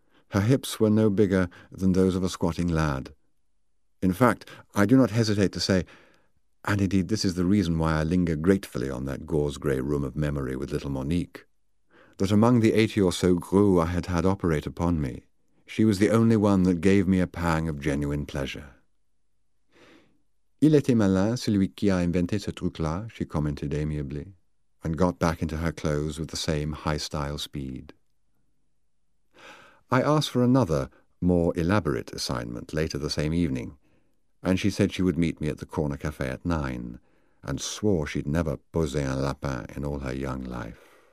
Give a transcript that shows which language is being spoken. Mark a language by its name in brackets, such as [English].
[English] Her hips were no bigger than those of a squatting lad. In fact, I do not hesitate to say, and indeed this is the reason why I linger gratefully on that gauze-grey room of memory with little Monique, that among the 80 or so crew I had had operate upon me, she was the only one that gave me a pang of genuine pleasure. [French] Il était malin, celui qui a inventé ce truc-là, [English] she commented amiably, and got back into her clothes with the same high-style speed. I asked for another, more elaborate assignment later the same evening, and she said she would meet me at the corner café at 9, and swore she'd never [French] posé un lapin [English] in all her young life.